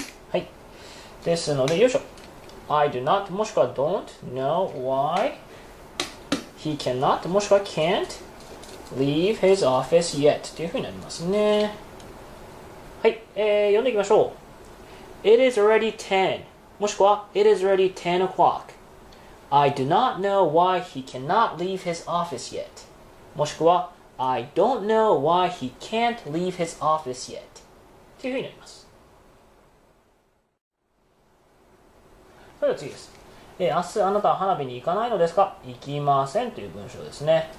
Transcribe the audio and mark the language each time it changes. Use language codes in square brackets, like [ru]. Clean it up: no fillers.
[ja] はい、ですのでよいしょ、 [en] I do not [ja] もしくは [en] don't know why he cannot もしくは can't leave his office yet [ja] というふうになりますね。はい、読んでいきましょう。 [en] It is already 10 [ja] もしくは [en] It is already 10 o'clock. I do not know why he cannot leave his office yet. [ja] もしくは [en] I don't know why he can't leave his office yet. [ja] というふうになります。それでは次です。明日あなたは花火に行かないのですか？行きませんという文章ですね。